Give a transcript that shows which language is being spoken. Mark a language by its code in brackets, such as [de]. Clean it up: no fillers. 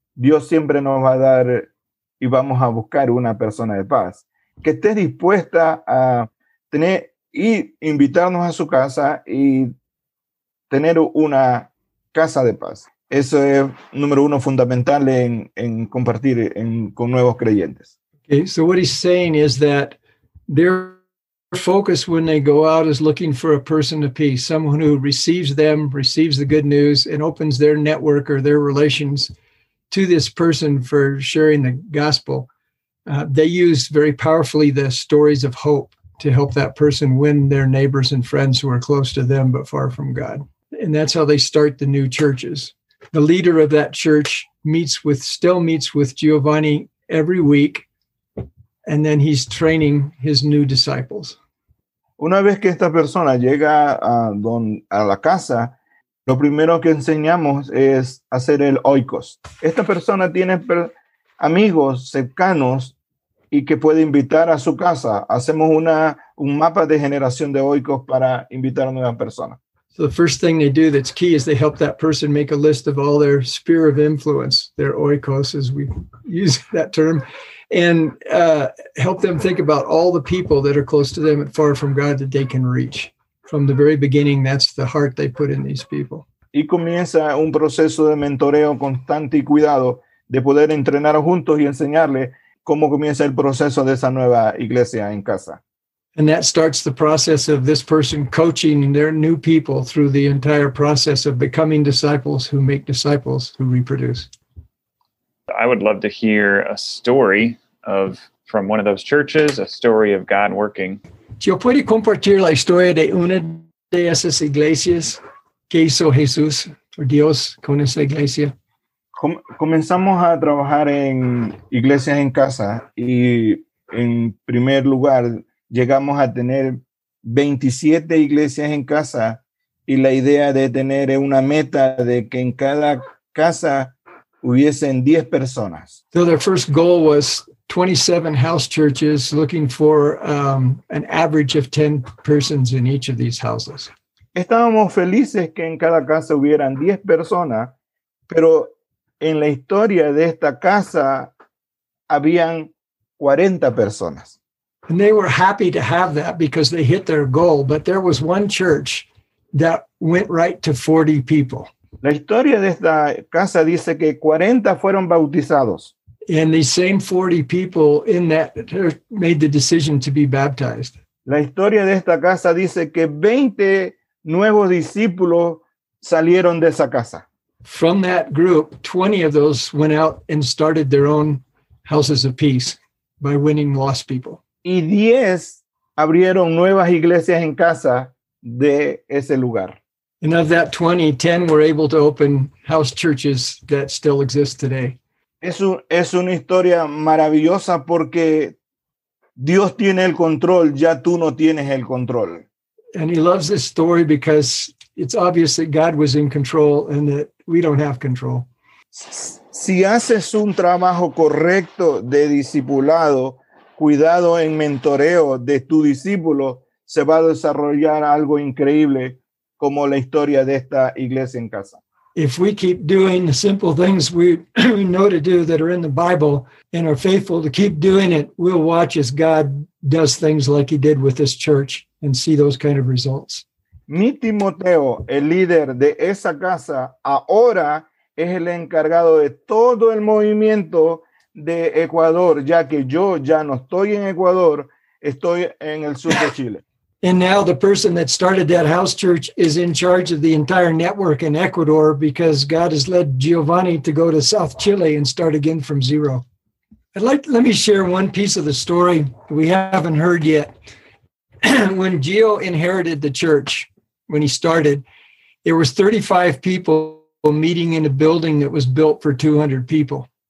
[es] Dios siempre nos va a dar y vamos a buscar una persona de paz que esté dispuesta a tener y invitarnos a su casa y tener una casa de paz. Eso es número uno fundamental en compartir con nuevos creyentes. [en] Okay, so what he's saying is that their focus when they go out is looking for a person of peace, someone who receives them, receives the good news, and opens their network or their relations to this person for sharing the gospel. They use very powerfully the stories of hope to help that person win their neighbors and friends who are close to them but far from God. And that's how they start the new churches. The leader of that church still meets with Giovanni every week, and then he's training his new disciples. [es] Una vez que esta persona llega a la casa, lo primero que enseñamos es hacer el oikos. Esta persona tiene amigos cercanos y que puede invitar a su casa. Hacemos un mapa de generación de oikos para invitar a nuevas personas. [en] So the first thing they do that's key is they help that person make a list of all their sphere of influence, their oikos, as we use that term, and help them think about all the people that are close to them and far from God that they can reach. From the very beginning, that's the heart they put in these people. [es] Y comienza un proceso de mentoreo constante y cuidado de poder entrenar juntos y enseñarle cómo comienza el proceso de esa nueva iglesia en casa. [en] And that starts the process of this person coaching their new people through the entire process of becoming disciples who make disciples who reproduce. I would love to hear a story from one of those churches, a story of God working. [es] Yo puedo compartir la historia de una de esas iglesias que hizo Jesús o Dios con esa iglesia. Comenzamos a trabajar en iglesias en casa y en primer lugar llegamos a tener 27 iglesias en casa y la idea de tener una meta de que en cada casa hubiesen 10 personas. [en] So their first goal was 27 house churches looking for an average of 10 persons in each of these houses. [es] Estábamos felices que en cada casa hubieran 10 personas, pero en la historia de esta casa habían 40 personas. [en] And they were happy to have that because they hit their goal, but there was one church that went right to 40 people. [es] La historia de esta casa dice que 40 fueron bautizados. [en] And these same 40 people in that made the decision to be baptized. [es] La historia de esta casa dice que 20 nuevos discípulos salieron de esa casa. [en] From that group, 20 of those went out and started their own houses of peace by winning lost people. [es] Y 10 abrieron nuevas iglesias en casa de ese lugar. [en] And of that 20, 10 were able to open house churches that still exist today. [es] Es una historia maravillosa porque Dios tiene el control, ya tú no tienes el control. [en] And he loves this story because it's obvious that God was in control and that we don't have control. [es] Si haces un trabajo correcto de discipulado, cuidado en mentoreo de tu discípulo, se va a desarrollar algo increíble como la historia de esta iglesia en casa. [en] If we keep doing the simple things we know to do that are in the Bible and are faithful to keep doing it, we'll watch as God does things like he did with this church and see those kind of results. [es] Mi Timoteo, el líder de esa casa, ahora es el encargado de todo el movimiento de Ecuador, ya que yo ya no estoy en Ecuador, estoy en el sur de Chile. [en] And now the person that started that house church is in charge of the entire network in Ecuador because God has led Giovanni to go to South Chile and start again from zero. Let me share one piece of the story we haven't heard yet. When Gio inherited the church, when he started, there were 35 people meeting in a building that was built for 200 people.